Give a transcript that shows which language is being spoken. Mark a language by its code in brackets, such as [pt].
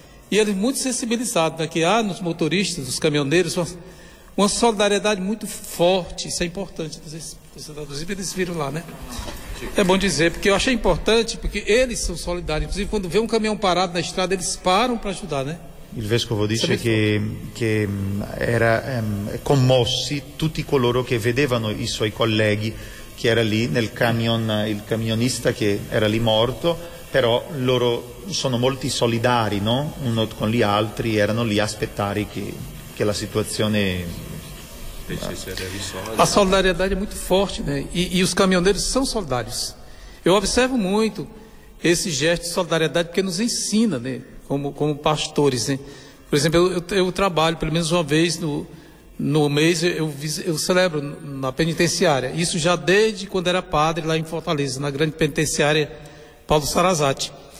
[pt] E ele muito sensibilizado, né? Que há nos motoristas, nos caminhoneiros, uma solidariedade muito forte, isso é importante. Inclusive eles viram lá, né? É bom dizer, porque eu achei importante, porque eles são solidários. Inclusive quando vê um caminhão parado na estrada, eles param para ajudar, né? [it] Il vescovo dice che era commossi tutti coloro che vedevano i suoi colleghi che era lì nel camion, il camionista che era lì morto, però loro sono molti solidari, no? Uno con gli altri, erano lì a aspettare che la situazione... La solidarietà è molto forte, né? [pt] E os camioneiros são solidários. Eu observo muito esse gesto de solidariedade porque nos ensina, né? Como pastores, né? Por exemplo, eu trabalho pelo menos uma vez no mês, eu celebro na penitenciária. Isso já desde quando era padre lá em Fortaleza, na grande penitenciária Paulo Sarasate.